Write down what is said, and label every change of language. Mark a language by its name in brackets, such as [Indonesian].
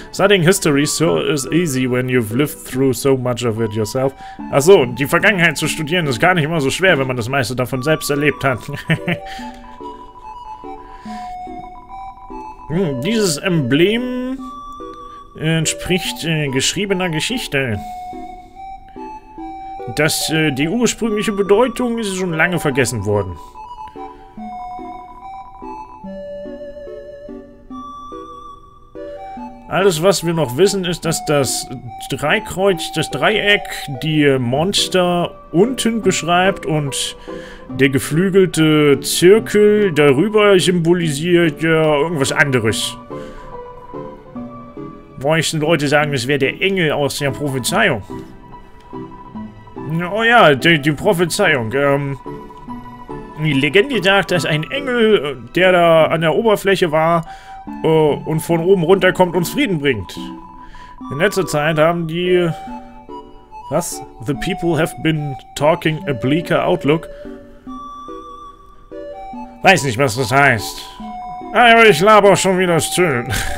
[English] Studying history sure is easy when you've lived through so much of it yourself. [German] Ach so, die Vergangenheit zu studieren ist gar nicht immer so schwer, wenn man das meiste davon selbst erlebt hat. dieses Emblem entspricht geschriebener Geschichte. Die ursprüngliche Bedeutung ist schon lange vergessen worden. Alles, was wir noch wissen, ist, dass das Dreieck die Monster unten beschreibt und der geflügelte Zirkel darüber symbolisiert ja irgendwas anderes. Manche Leute sagen, es wäre der Engel aus der Prophezeiung. Oh ja, die Prophezeiung. Die Legende sagt, dass ein Engel, der da an der Oberfläche war und von oben runterkommt, uns Frieden bringt. In letzter Zeit haben die... Was? [English] The people have been talking a bleaker outlook. [German] Weiß nicht, was das heißt. Aber ich laber schon wieder schön.